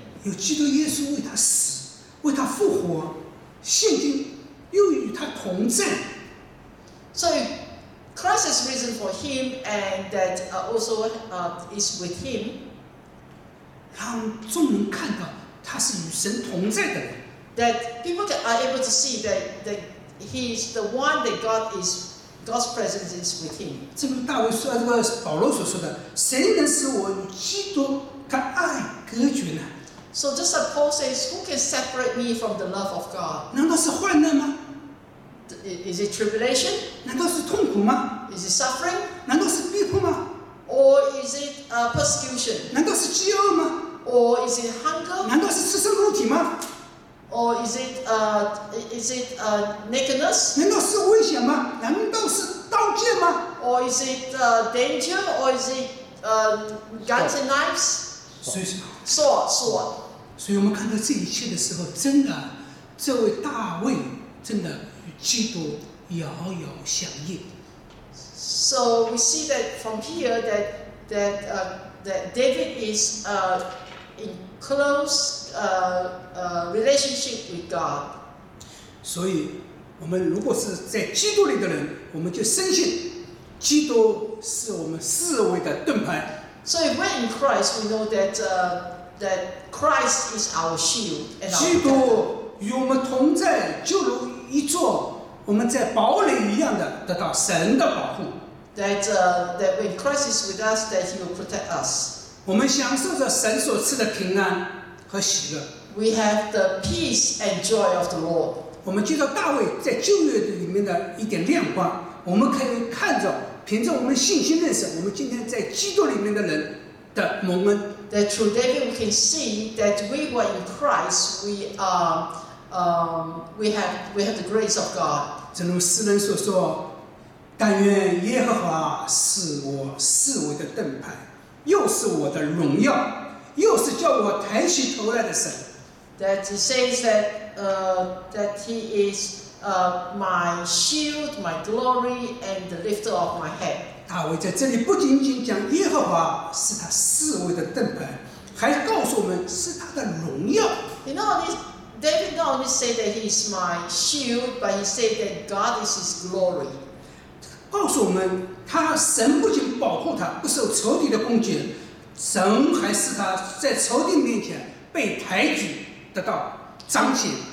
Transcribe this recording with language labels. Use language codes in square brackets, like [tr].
[zh] 有基督耶稣为他死，为他复活，现今又与他同在。 [en] So Christ has risen for him, and that is with him. [zh] 让众人看到他是与神同在的人。 [en] That people are able to see that he is the one that God's presence is with him. [zh] 正如大卫说，这个保罗所说的，谁能使我与基督的爱隔绝呢？ [en] So just as Paul says, who can separate me from the love of God? [zh] 难道是患难吗？ [en] Is it tribulation? [zh] 难道是痛苦吗？ [en] Is it suffering? [zh] 难道是逼迫吗？ [en] Or is it persecution? [zh] 难道是饥饿吗？ [en] Or is it hunger? [zh] 难道是赤身裸体吗？ [en] Or is it nakedness? [zh] 难道是危险吗？难道是刀剑吗？ [en] Or is it danger? Or is it guns and knives? Sword. [zh] 所以我们看到这一切的时候，真的，这位大卫真的与基督遥遥相应。 [en] So we see that from here that David is in close relationship with God. [zh] 所以，我们如果是在基督里的人，我们就深信基督是我们四维的盾牌。 [en] So if we're in Christ, we know that Christ is our shield and our [zh] 基督与我们同在，就如一座我们在堡垒一样的得到神的保护。 [en] That when Christ is with us, that He will protect us. [zh] 我们享受着神所赐的平安和喜乐。 [en] We have the peace and joy of the Lord. [zh] 我们借着大卫在旧约里面的一点亮光，我们可以看着凭着我们信心认识我们今天在基督里面的人的蒙恩。 [en] That through David we can see that we were in Christ, we have the grace of God. [zh] 正如诗人所说。但愿耶和华是我四维的盾牌，又是我的荣耀，又是叫我抬起头来的神。 [en] That he says that that he is my shield, my glory, and the lifter of my head. [zh] 大卫在这里不仅仅讲耶和华是他四维的盾牌，还告诉我们是他的荣耀。 [en] You know this, David not only say that he is my shield, but he say that God is his glory. [zh] 告诉我们，他神不仅保护他不受仇敌的攻击，神还是他在仇敌面前被抬举得到彰显。